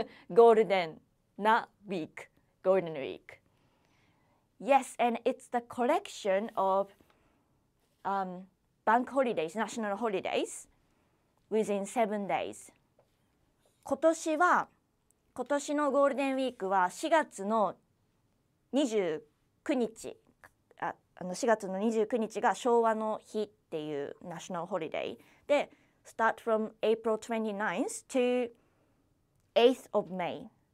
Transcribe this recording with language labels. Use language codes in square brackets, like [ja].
[ja] ゴールデン、な、ウィーク。ゴールデンウィーク。 [en] Yes, and it's the collection of bank holidays, national holidays, within 7 days. [ja] 今年のゴールデンウィークは4月の29日。 4月の29日が昭和の日っていうナショナルホリデーで、 [en] start from April 29th to 8th of May.